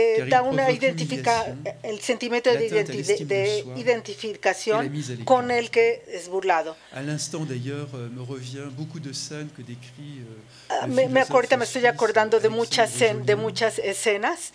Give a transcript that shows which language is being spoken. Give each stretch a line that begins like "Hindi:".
Spanish: da una identificación, el sentimiento de identificación con el que es burlado.
French: À l'instant d'ailleurs me revient beaucoup de scènes que décrit
Spanish: me estoy acordando de muchas escenas